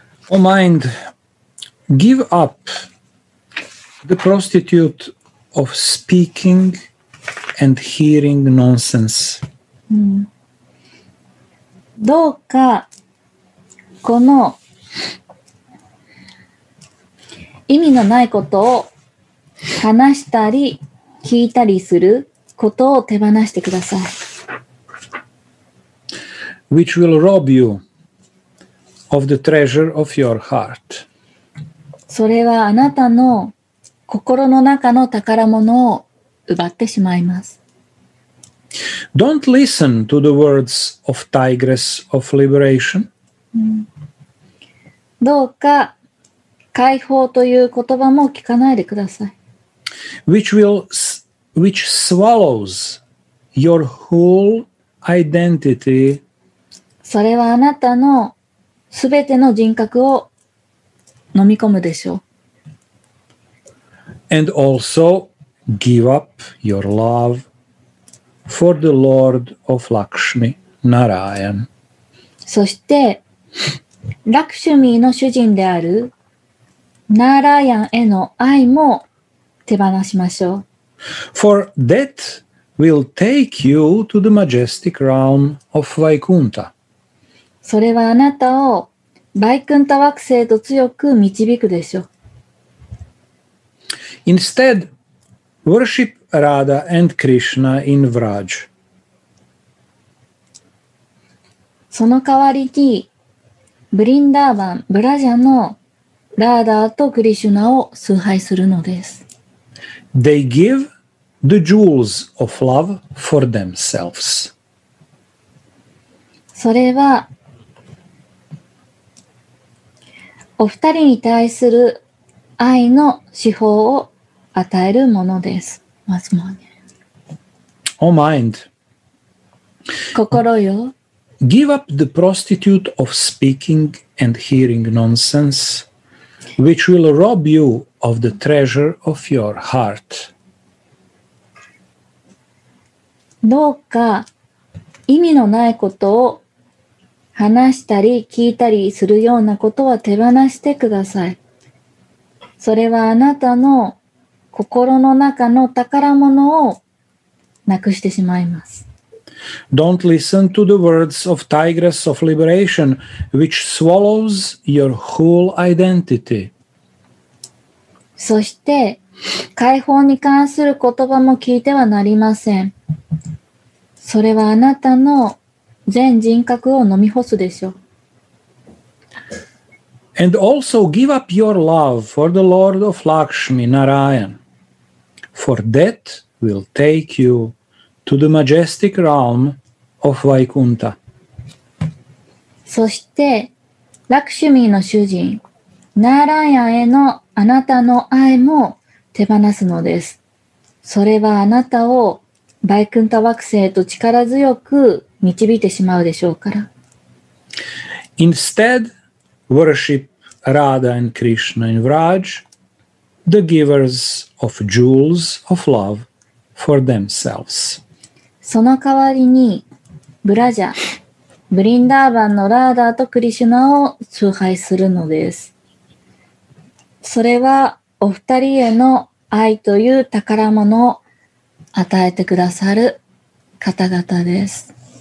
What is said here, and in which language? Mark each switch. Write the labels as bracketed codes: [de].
[en] O mind, give up the prostitute of speaking and hearing nonsense. [ja] どうかこの意味のないことを話したり聞いたりすることを手放してください。 [en] Which will rob you. Of the treasure of your heart. [ja] それはあなたの心の中の宝物を奪ってしまいます。 [en] Don't listen to the words of tigress of liberation. [ja] どうか解放という言葉も聞かないでください。 [en] Which swallows your whole identity. [ja] それはあなたのすべての人格を飲み込むでしょう。 [en] And also give up your love for the Lord of Lakshmi, Narayan. [ja] そして、ラクシュミーの主人であるナーラヤンへの愛も手放しましょう。 [en] For that will take you to the majestic realm of Vaikuntha. [ja] それはあなたをバイクンタ惑星と強く導くでしょう。 [en] Instead, worship Radha and Krishna in Vraj. [ja] その代わりに、ブリンダーバン、ブラジャのラーダーとクリシュナを崇拝するのです。 [en] They give the jewels of love for themselves. [ja] それは、お二人に対する愛の至宝を与えるものです。まずもね。 [en] Oh mind. [ja] 心よ。 [en] Give up the prostitute of speaking and hearing nonsense, which will rob you of the treasure of your heart. [ja] どうか意味のないことを話したり聞いたりするようなことは手放してください。それはあなたの心の中の宝物をなくしてしまいます。 [en] Don't listen to the words of tigress of liberation, which swallows your whole identity. [ja] そして、解放に関する言葉も聞いてはなりません。それはあなたの全人格を飲み干すでしょう。 [en] And also give up your love for the Lord of Lakshmi, Narayan, for that will take you to the majestic realm of Vaikuntha. [ja] そして、ラクシュミーの主人、ナーライアンへのあなたの愛も手放すのです。それはあなたをバイクンタ惑星と力強く導いてしまうでしょうから。 [en] Instead, worship Radha and Krishna in Vraj, the givers of jewels of love for themselves. [ja] その代わりに、ブラジャ、ブリンダーバンのラーダーとクリシュナを崇拝するのです。それはお二人への愛という宝物を与えてくださる方々です。